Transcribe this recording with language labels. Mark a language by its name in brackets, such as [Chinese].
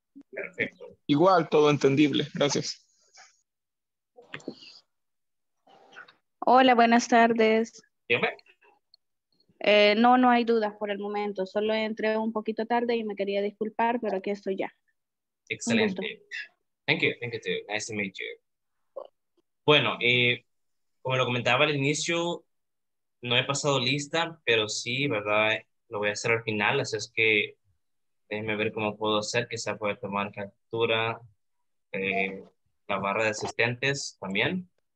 [Spanish] Perfecto. Igual, todo entendible. Gracias. Hola, buenas tardes. Dígame. No hay dudas por el momento. Solo entré un poquito tarde y me quería disculpar, pero aquí estoy ya. [English] Excelente. Thank you too. Nice to meet you. [Spanish] Bueno, como lo comentaba al inicio, no he pasado lista, pero sí, ¿verdad? Lo voy a hacer al final, así es que déjenme ver cómo puedo hacer, quizá pueda tomar captura la barra de asistentes también.